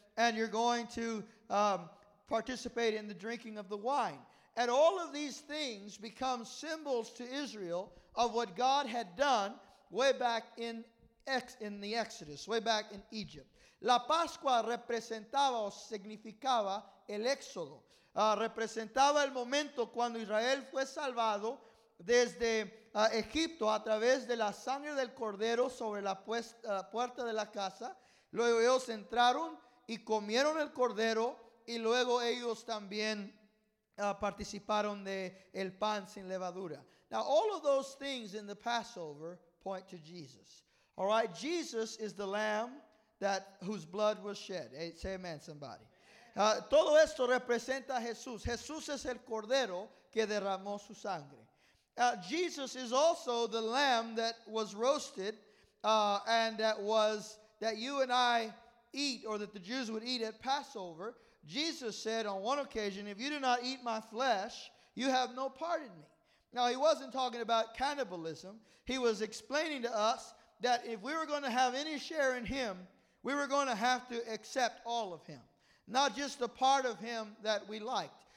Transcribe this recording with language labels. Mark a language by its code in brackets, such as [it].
[en] And you're going to participate in the drinking of the wine. And all of these things become symbols to Israel of what God had done way back in the Exodus, way back in Egypt. [es] La Pascua representaba o significaba el éxodo. Representaba el momento cuando Israel fue salvado desde Egipto a través de la sangre del cordero sobre la puerta de la casa. Luego ellos entraron y comieron el cordero y luego ellos también participaron de el pan sin levadura. [en] Now all of those things in the Passover point to Jesus. All right, Jesus is the lamb that whose blood was shed. Hey, say amen, somebody. [es] Todo esto representa a Jesús. Jesús es el cordero que derramó su sangre. [en] Jesus is also the lamb that was roasted and that you and I eat, or that the Jews would eat at Passover. Jesus said on one occasion, if you do not eat my flesh, you have no part in me. Now, he wasn't talking about cannibalism. He was explaining to us that if we were going to have any share in him, we were going to have to accept all of him, not just a part of him that we liked.